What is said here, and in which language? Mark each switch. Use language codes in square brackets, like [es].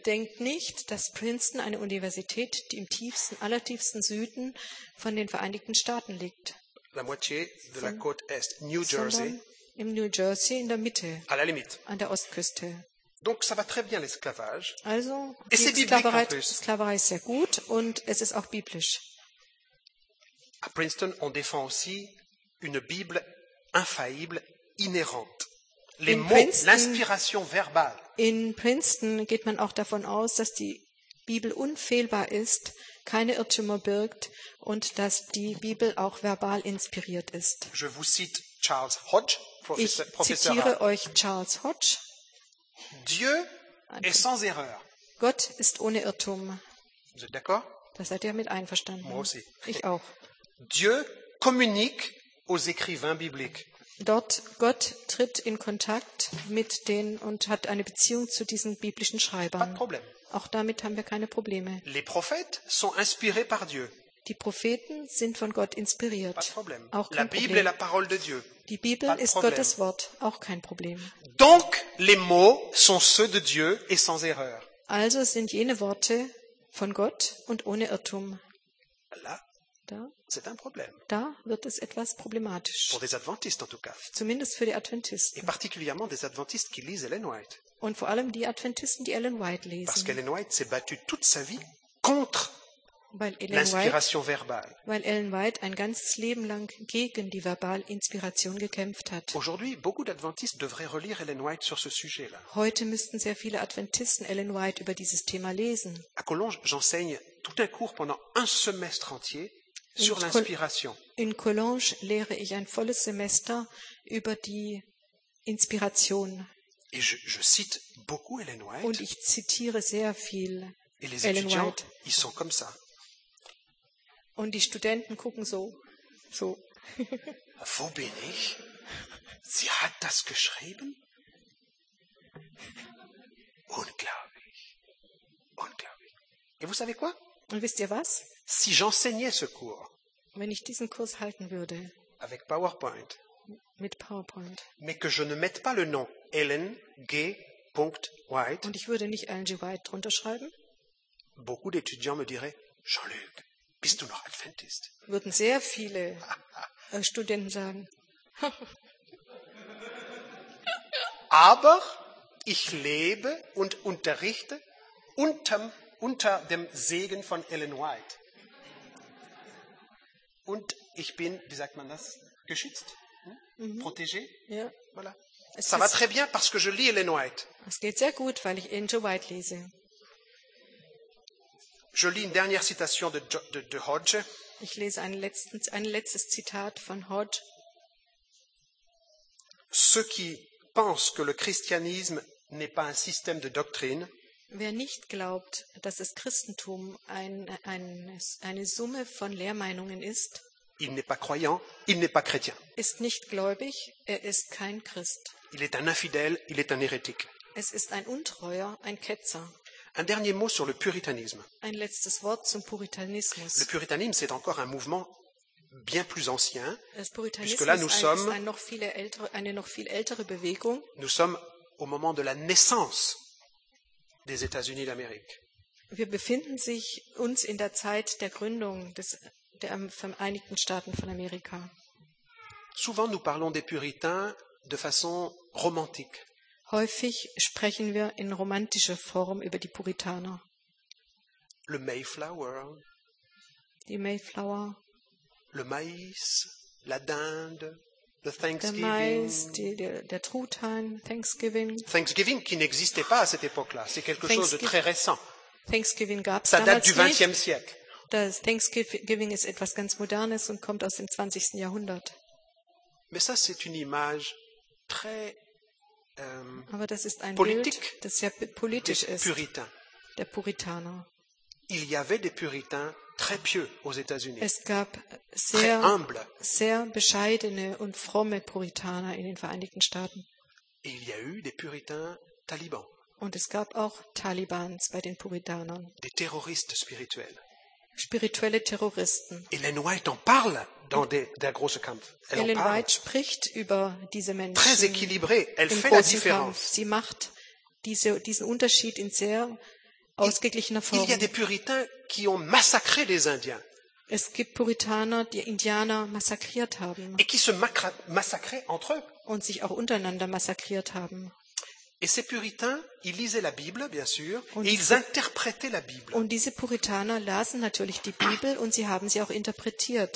[de] Denkt nicht, dass Princeton eine Universität, die im tiefsten, allertiefsten Süden von den Vereinigten Staaten liegt. [fr] La moitié de la côte est, New Jersey. [de] Im New Jersey in der Mitte, [fr] à la limite. [de] An der Ostküste. [fr] Donc ça va très bien, l'esclavage. [de] Also, [fr] et c'est biblique en plus. [de] Sklaverei ist sehr gut und es ist auch biblisch. [fr] À Princeton, on défend aussi une Bible infaillible, inhérente. Les [de] in [fr] mots, Princeton, l'inspiration verbale. [de] In Princeton geht man auch davon aus, dass die Bibel unfehlbar ist, keine Irrtümer birgt und dass die Bibel auch verbal inspiriert ist. [fr] Je vous cite Charles Hodge, [de] Professor. Ich zitiere euch Charles Hodge. [fr] Dieu est sans erreur. [de] Gott ist ohne Irrtum. [fr] Vous êtes d'accord? [de] Da seid ihr mit einverstanden. [fr] Moi aussi. [de] Ich auch. [fr] Dieu communique aux écrivains bibliques. [de] Gott tritt in Kontakt mit denen und hat eine Beziehung zu diesen biblischen Schreibern. [fr] Pas de problème. [de] Auch damit haben wir keine Probleme. [fr] Les prophètes sont inspirés par Dieu. [de] Die Propheten sind von Gott inspiriert. [fr] Pas de problème. [de] Auch kein [fr] la Bible [de] Problem. [fr] Est la parole de Dieu. [de] Die Bibel [fr] Pas de [de] ist Gottes Wort. Auch kein Problem. [fr] Donc, les mots sont ceux de Dieu et sans erreur. [de] Also sind jene Worte von Gott und ohne Irrtum. [fr] Là, da, c'est un problème. [de] Da wird es etwas problematisch. [fr] Pour des Adventistes, en tout cas. [de] Zumindest für die Adventisten. [fr] Et particulièrement des Adventistes qui lisent Ellen White. [de] Und vor allem die Adventisten, die Ellen White lesen. [fr] Parce qu'Ellen White s'est battue toute sa vie contre l'inspiration verbale. [de] Weil Ellen White ein ganzes Leben lang gegen die verbale Inspiration gekämpft hat. [fr] Aujourd'hui, beaucoup d'adventistes devraient relire Ellen White sur ce sujet-là. [de] Heute müssten sehr viele Adventisten Ellen White über dieses Thema lesen. [fr] À Colonge, j'enseigne tout un cours pendant un semestre entier sur l'inspiration. [de] In Colonge lehre ich ein volles Semester über die Inspiration. [fr] Et je cite beaucoup Ellen White. [de] Und ich zitiere sehr viel [fr] Et les [de] Ellen [fr] étudiants, [de] White. [fr] Ils sont comme ça. [de] Und die Studenten gucken so. So. Wo bin ich? Sie hat das geschrieben? Unglaublich. [fr] Et vous savez quoi? [de] Und wisst ihr was? [fr] Si j'enseignais ce cours, [de] wenn ich diesen Kurs halten würde, [fr] avec PowerPoint, [de] mit PowerPoint, [fr] mais que je ne mette pas le nom Ellen G. White, [de] und ich würde nicht Ellen G. White drunter schreiben, [fr] beaucoup d'étudiants me diraient, Jean-Luc, [de] bist du noch Adventist? Würden sehr viele Studenten sagen. Aber ich lebe und unterrichte unter dem Segen von Ellen White. Und ich bin, wie sagt man das, geschützt, protégé. Ja. [fr] Voilà. Ça va très bien parce que je lis Ellen White. [de] Es geht sehr gut, weil ich Ellen White lese. [fr] Je lis une dernière citation de Hodge. [de] Ich lese ein letztes Zitat von Hodge. [fr] Ceux qui pensent que le christianisme n'est pas un système de doctrine. [de] Wer nicht glaubt, dass das Christentum eine Summe von Lehrmeinungen ist. [fr] Il n'est pas croyant, il n'est pas chrétien. [de] Ist nicht gläubig, er ist kein Christ. [fr] Il est un infidèle, il est un hérétique. [de] Es ist ein Untreuer, ein Ketzer. [fr] Un dernier mot sur le puritanisme. [de] Ein letztes Wort zum Puritanismus. [fr] Le puritanisme, c'est encore un mouvement bien plus ancien. [de] Das Puritanisme ist eine noch viel ältere Bewegung. [fr] Nous sommes au moment de la naissance des États-Unis d'Amérique. [de] Wir befinden sich uns in der Zeit der Gründung der Vereinigten Staaten von Amerika. [fr] Souvent nous parlons des puritains de façon romantique. [de] Häufig sprechen wir in romantischer Form über die Puritaner. [fr] Le Mayflower. [de] Die Mayflower. [fr] Le Maïs, la Dinde, le [de] Thanksgiving. Der Mais, der Truthahn, Thanksgiving. [fr] Thanksgiving qui n'existait pas à cette époque-là. C'est quelque chose de très récent. [de] Thanksgiving gab's damals nicht. [fr] Ça date du 20e siècle. [de] Das Thanksgiving ist etwas ganz Modernes und kommt aus dem 20. Jahrhundert. [fr] Mais ça, c'est une image très, [de] aber das ist ein [fr] politique [de] Bild, das sehr politisch [fr] des Puritains. [de] Ist. Der Puritaner. [fr] Il y avait des Puritains très pieux aux États-Unis. [de] Es gab sehr, sehr bescheidene und fromme Puritaner in den Vereinigten Staaten. [fr] Et il y a eu des Puritains talibans. [de] Und es gab auch Talibans bei den Puritanern. [fr] Des terroristes spirituels. [de] Spirituelle Terroristen. [fr] Ellen White en parle dans [de] der große Kampf. Ellen White spricht über diese Menschen. [fr] Très équilibré, elle fait la différence. [de] Sie macht diesen Unterschied in sehr ausgeglichener Form. [fr] Il y a des Puritains qui ont massacré les Indiens. [de] Es gibt Puritaner, die Indianer massakriert haben. [fr] Et qui se massacraient entre eux. [de] Und sich auch untereinander massakriert haben. [fr] Et ces puritains, ils lisaient la Bible, bien sûr, et ils interprétaient la Bible. [de] Und diese Puritaner lasen natürlich die Bibel und sie haben sie auch interpretiert.